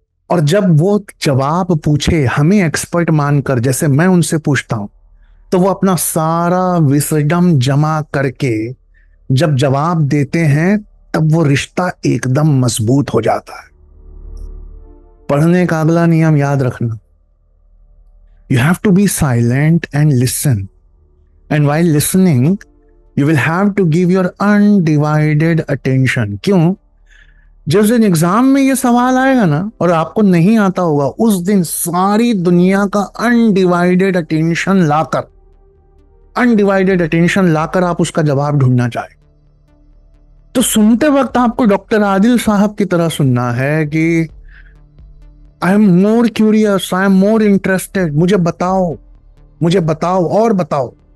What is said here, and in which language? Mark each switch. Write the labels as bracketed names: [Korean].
[Hindi] और जब वो जवाब पूछे हमें एक्सपर्ट मानकर, जैसे मैं उनसे पूछता हूं, तो वो अपना सारा विसडम जमा करके जब जवाब देते हैं तब वो रिश्ता एकदम मजबूत हो जाता है। पढ़ने का अगला नियम याद रखना, [English] You have to be silent and listen. And while listening, you will have to give your undivided attention. [Hindi] क्यों? जिस दिन एग्जाम में ये सवाल आएगा ना और आपको नहीं आता होगा, उस दिन सारी दुनिया का undivided attention लाकर, आप उसका जवाब ढूंढना चाहे। तो सुनते वक्त आपको डॉक्टर आदिल साहब की तरह सुनना है कि [English] I am more curious, I am more interested, [Hindi] मुझे बताओ।